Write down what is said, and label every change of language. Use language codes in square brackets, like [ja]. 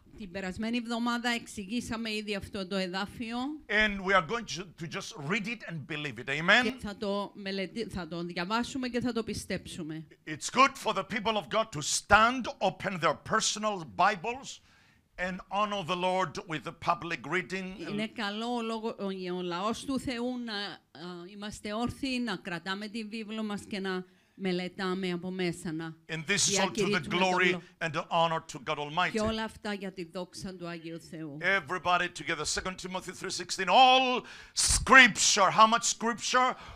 [el] Την περασμένη εβδομάδα εξηγήσαμε ήδη αυτό το εδάφιο. [en] And we are going to just read it and believe it. Amen. [el] Και θα το διαβάσουμε και θα το πιστέψουμε. [en] It's good for the people of God to stand, open their personal Bibles and honor the Lord with a public reading. [el] Είναι καλό ο λαός του Θεού να είμαστε όρθιοι, να κρατάμε την βίβλο μας και να μελετάμε από μέσα να διακηρύττουμε και όλα αυτά για τη δόξα του Άγιου Θεού. [en] Everybody together, 2 Timothy 3:16. All scripture, how much scripture?